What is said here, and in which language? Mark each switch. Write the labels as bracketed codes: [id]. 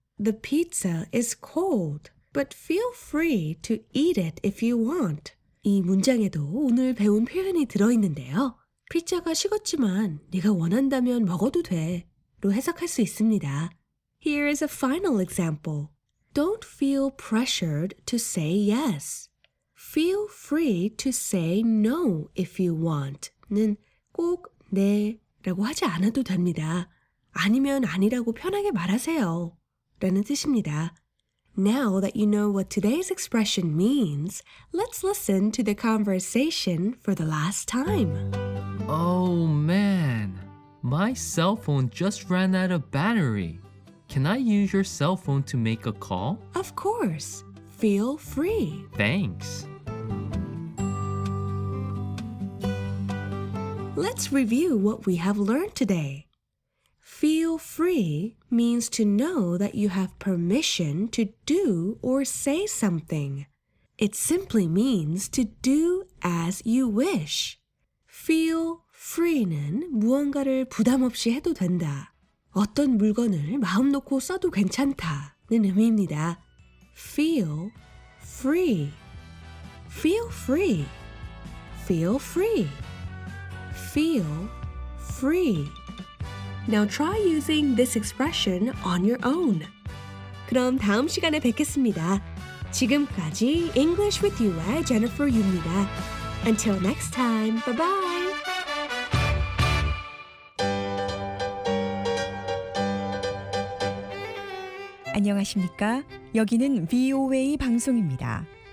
[en] The pizza is cold, but feel free to eat it if you want. [ko] 이 문장에도 오늘 배운 표현이 들어있는데요. 피자가 식었지만 네가 원한다면 먹어도 돼 로 해석할 수 있습니다. [en] Here is a final example. Don't feel pressured to say yes. Feel free to say no if you want. [ko] 는 꼭 네 라고 하지 않아도 됩니다. 아니면 아니라고 편하게 말하세요. 라는 뜻입니다. [en] Now that you know what today's expression means, let's listen to the conversation for the last time. Oh man, my cell phone just ran out of battery. Can I use your cell phone to make a call? Of course. Feel free. Thanks. Let's review what we have learned today. Feel free means to know that you have permission to do or say something. It simply means to do as you wish. [ko] Feel free는 무언가를 부담 없이 해도 된다. 어떤 물건을 마음 놓고 써도 괜찮다는 의미입니다. [en] Feel free. Feel free. Feel free. Feel free. Now try using this expression on your own. [ko] 그럼 다음 시간에 뵙겠습니다. 지금까지 English with You의 Jennifer Yu입니다. [en] Until next time, bye-bye! [ko] Hello, 여기는 VOA 방송입니다.